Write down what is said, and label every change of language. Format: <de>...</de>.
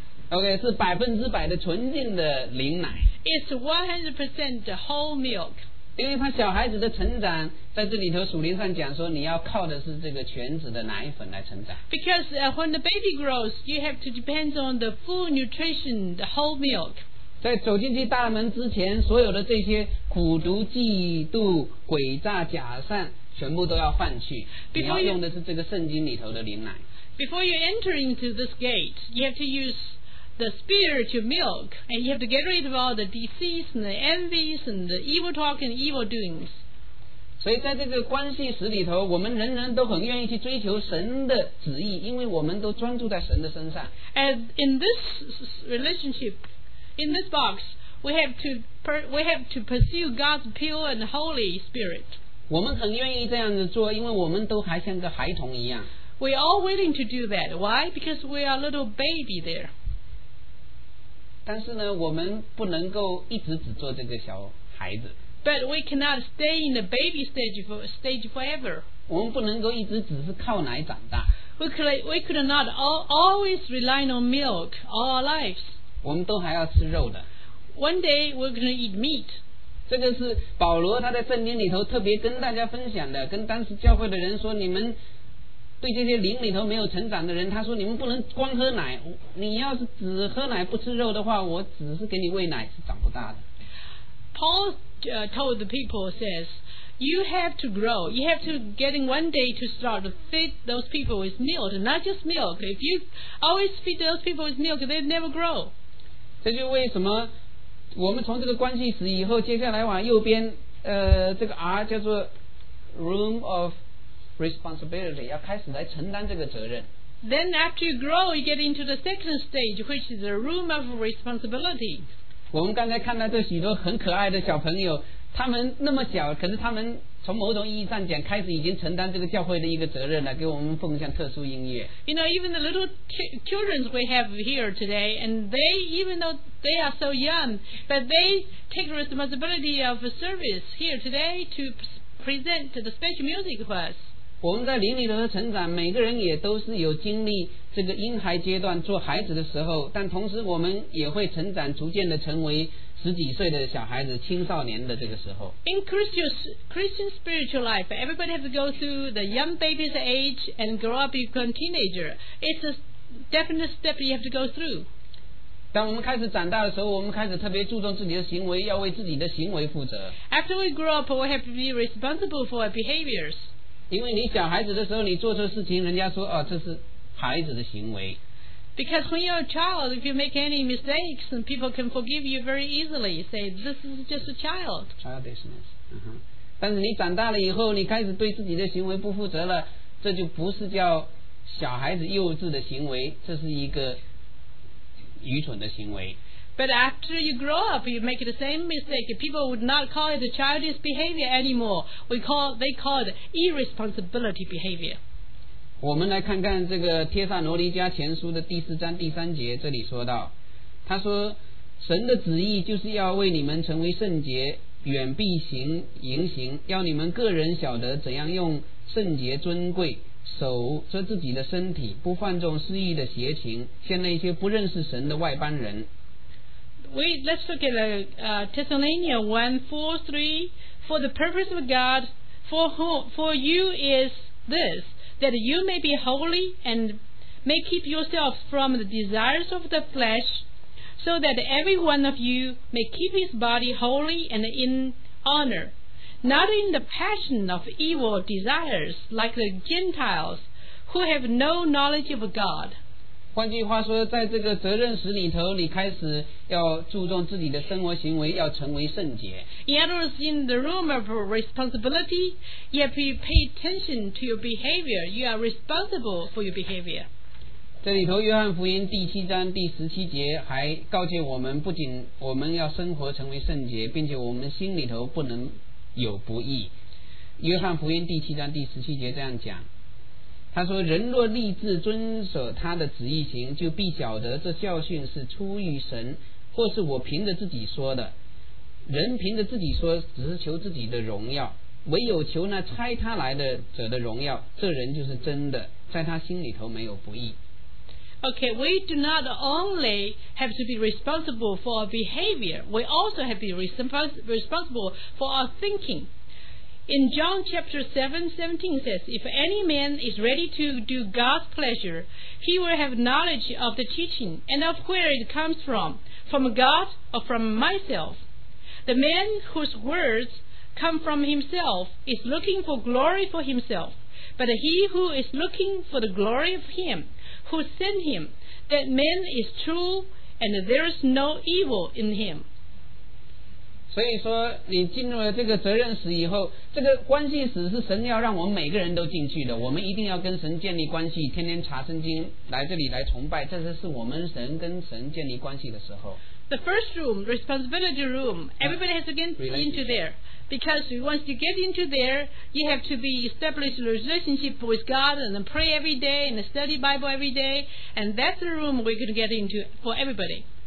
<zh>Okay, 是百分之百的纯净的灵奶。</zh> <en>It's 100% whole milk.</en> <zh>因为他小孩子的成长在这里头属灵上讲说你要靠的是这个全脂的奶粉来成长。</zh> <en>Because when the baby grows, you have to depend on the full nutrition, the whole milk.</en> <zh>在走进去大门之前所有的这些苦毒嫉妒诡诈假善全部都要放去你要用的是这个圣经里头的灵奶。</zh> <en>Before you enter into this gate, you have to use the spiritual milk and you have to get rid of all the deceits and the envies and the evil talk and evil doings.</en> <zh>所以在这个关系史里头我们人人都很愿意去追求神的旨意因为我们都专注在神的身上。</zh> <en>And in this relationship, in this box, we have to pursue God's pure and holy spirit.</en> <zh>我们很愿意这样子做因为我们都还像个孩童一样。</zh> <en>We are all willing to do that. Why? Because we are a little baby there.</en> <zh>但是呢我们不能够一直只做这个小孩子</zh> <en>but we cannot stay in the baby stage forever</en> <zh>我们不能够一直只是靠奶长大</zh> <en>we could not always rely on milk all our lives</en> <zh>我们都还要吃肉的</zh> <en>one day we're going to eat meat</en> <zh>这个是保罗他在圣经里头特别跟大家分享的跟当时教会的人说你们对这些灵里头没有成长的人他说你们不能光喝奶你要是只喝奶不吃肉的话我只是给你喂奶是长不大的。</zh> <en>Paul told the people says you have to grow you have to getting one day to start to feed those people with milk not just milk if you always feed those people with milk they never grow</en> <zh>这就为什么我们从这个关系史以后接下来往右边这个 R 叫做</zh> <en>room ofresponsibility</en> <zh>要开始来承担这个责任。</zh> <en>Then after you grow you get into the second stage which is the room of responsibility.</en> <zh>我们刚才看到这许多很可爱的小朋友他们那么小可是他们从某种意义上讲开始已经承担这个教会的一个责任了给我们奉献特殊音乐。</zh> <en>You know even the little children we have here today and they even though they are so young but they take responsibility of a service here today to present the special music for us.</en> <zh>我们在灵里头的成长每个人也都是有经历这个婴孩阶段做孩子的时候但同时我们也会成长逐渐的成为十几岁的小孩子青少年的这个时候</zh> <en>In Christian spiritual life everybody has to go through the young baby's age and grow up become teenager it's a definite step you have to go through</en> <zh>当我们开始长大的时候我们开始特别注重自己的行为要为自己的行为负责</zh> <en>After we grow up we have to be responsible for our behaviors</en> <zh>因为你小孩子的时候你做错事情人家说哦，这是孩子的行为</zh> <en>because when you're a child if you make any mistakes and people can forgive you very easily say this is just a child</en> <zh>childishness、但是你长大了以后你开始对自己的行为不负责了这就不是叫小孩子幼稚的行为这是一个愚蠢的行为</zh> <en>but after you grow up you make the same mistake people would not call it a childish behavior anymore they call it irresponsibility behavior</en> <zh>我们来看看这个帖撒罗尼迦前书的第四章第三节这里说到他说神的旨意就是要为你们成为圣洁远避行淫行要你们个人晓得怎样用圣洁尊贵守着自己的身体不放纵私欲的邪情像那些不认识神的外邦人</zh> <en>Let's look at Thessalonians 1:4-3 For the purpose of God for you is this that you may be holy and may keep yourself from the desires of the flesh so that every one of you may keep his body holy and in honorNot in the passion of evil desires like the Gentiles who have no knowledge of God.</en> <zh>换句话说，在这个责任史里头，你开始要注重自己的生活行为，要成为圣洁。</zh> <en>In other words, in the room of responsibility, you have to pay attention to your behavior. You are responsible for your behavior.</en> <zh>这里头约翰福音第七章第十七节还告诫我们，不仅我们要生活成为圣洁，并且我们心里头不能有不义。约翰福音第七章第十七节这样讲，他说，人若立志遵守他的旨意行，就必晓得这教训是出于神，或是我凭着自己说的。人凭着自己说，只是求自己的荣耀，唯有求那差他来的者的荣耀，这人就是真的，在他心里头没有不义。</zh> <en>Okay, we do not only have to be responsible for our behavior, we also have to be responsible for our thinking. In John chapter 7:17 says, if any man is ready to do God's pleasure, he will have knowledge of the teaching and of where it comes from God or from myself. The man whose words come from himself is looking for glory for himself, but he who is looking for the glory of him,who sent him, that man is true and there is no evil in him.</en> <zh>所以说你进入了这个责任史以后，这个关系史是神要让我们每个人都进去的，我们一定要跟神建立关系，天天查圣经，来这里来崇拜，这是我们神跟神建立关系的时候。</zh> <en>The first room, responsibility room, everybody has to get into there, because once you get into there, you have to be established a relationship with God and pray every day and study Bible every day, and that's the room we can get into for everybody.</en>